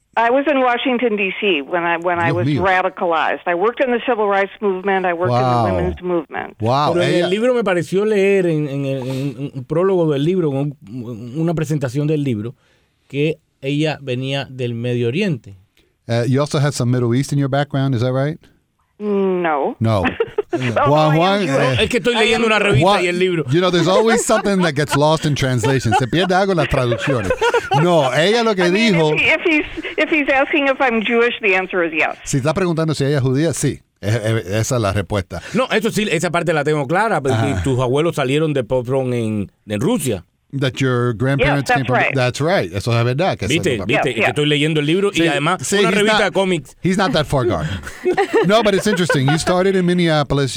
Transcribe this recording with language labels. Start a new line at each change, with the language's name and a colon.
English: I was in Washington, D.C. when I was radicalized. I worked in the civil rights movement. I worked in the women's movement. Wow.
Spanish: Pero ella, en el libro me pareció leer en un prólogo del libro, una presentación del libro, que ella venía del Medio Oriente.
English: You also had some Middle East in your background, is that right? No.
Spanish: Juan, Juan, es que estoy leyendo una revista y el libro.
English: You know, there's always something that gets lost in translation.
Spanish: Se pierde algo en las traducciones. No, ella lo que dijo.
English: If he's asking if I'm Jewish, the answer is yes.
Spanish: Si está preguntando si ella es judía, sí. Esa es la respuesta. No, eso sí, esa parte la tengo clara. Tus abuelos salieron de Poznan en Rusia.
English: That your grandparents yes, came from. Right. That's right.
Spanish: Eso es verdad. Que viste, yeah. Que estoy leyendo el libro y además una revista de cómics.
English: He's not that far gone. No, but it's interesting. You started in Minneapolis.